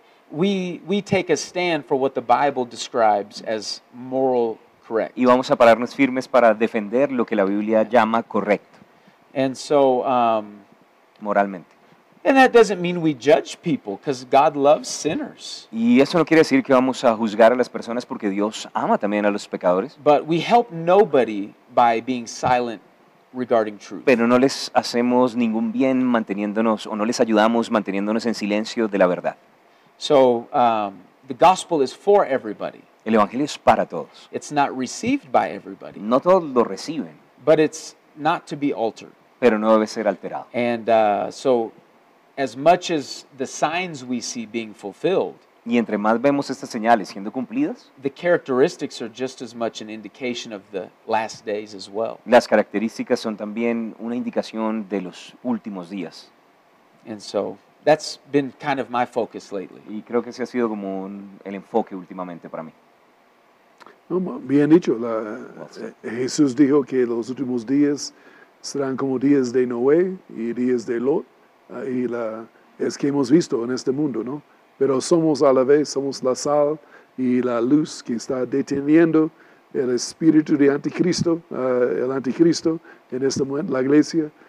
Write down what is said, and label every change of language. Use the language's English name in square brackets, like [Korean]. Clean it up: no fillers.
[English] We take a stand for what the Bible describes as moral correct. [Spanish] Y vamos a pararnos firmes para defender lo que la Biblia llama correcto. [English] And so, [Spanish] moralmente. [English] And that doesn't mean we judge people, because God loves sinners. [Spanish] Y eso no quiere decir que vamos a juzgar a las personas porque Dios ama también a los pecadores. [English] But we help nobody by being silent regarding truth. [Spanish] Pero no les hacemos ningún bien manteniéndonos o no les ayudamos manteniéndonos en silencio de la verdad. [English] So, the gospel is for everybody. [Spanish] El evangelio es para todos. [English] It's not received by everybody. [Spanish] No todos lo reciben. [English] But it's not to be altered. [Spanish] Pero no debe ser alterado. [English] And so as much as the signs we see being fulfilled, [Spanish] y entre más vemos estas señales siendo cumplidas, [English] the characteristics are just as much an indication of the last days as well. [Spanish] Las características son también una indicación de los últimos días. [English] And so that's been kind of my focus lately. [Spanish] Y creo que ese ha sido como el enfoque últimamente para mí. No, bien dicho. Jesús dijo que los últimos días serán como días de Noé y días de Lot. Y es que hemos visto en este mundo, ¿no? Pero somos a la vez, somos la sal y la luz que está deteniendo el espíritu de anticristo, el anticristo en este momento, la iglesia.